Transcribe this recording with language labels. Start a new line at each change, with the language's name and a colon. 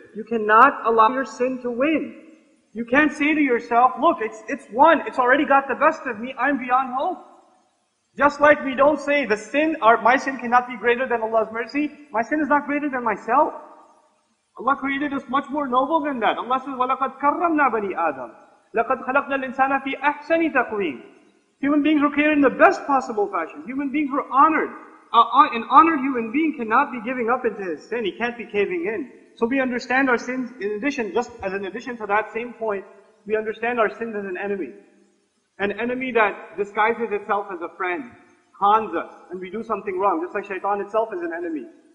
English: You cannot allow your sin to win. You can't say to yourself, look, it's won, it's already got the best of me, I'm beyond hope. Just like we don't say, my sin cannot be greater than Allah's mercy, my sin is not greater than myself. Allah created us much more noble than that. Allah says,
Arabic: وَلَقَدْ كَرَّمْنَا بَنِي آدَمَ لَقَدْ خَلَقْنَا الْإِنسَانَ فِي أَحْسَنِ تَقْوِيمٍ.
English: Human beings were created in the best possible fashion. Human beings were honored. An honored human being cannot be giving up into his sin. He can't be caving in. So we understand our sins in addition, just as an addition to that same point, we understand our sins as an enemy. An enemy that disguises itself as a friend, cons us, and we do something wrong, just like Shaitan itself is an enemy.